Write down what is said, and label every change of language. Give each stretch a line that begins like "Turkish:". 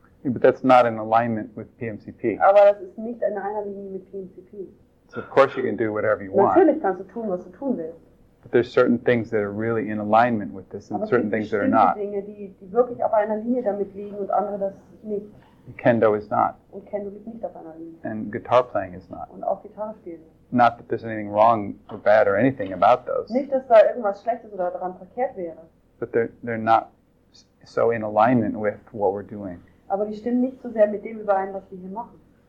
English: Yeah, but that's not in alignment with PMCP.
German: Aber das ist nicht in Einklang mit PMCP.
English: So of course you can do whatever you want.
German: Natürlich kannst du tun, was du tun willst.
English: But there's certain things that are really in alignment with this, and
German: aber
English: certain things that are not.
German: Aber es gibt bestimmte Dinge, die wirklich auf einer Linie damit liegen und andere das nicht.
English: And Kendo is not.
German: Und Kendo liegt nicht auf einer Linie.
English: And guitar playing is not.
German: Und auch Gitarre spielen.
English: Not that there's anything wrong or bad or anything about those.
German: Nicht, dass da irgendwas Schlechtes oder daran verkehrt wäre.
English: But they're not so in alignment with what we're doing.
German: Aber die stimmen nicht so sehr mit dem überein, was wir hier machen.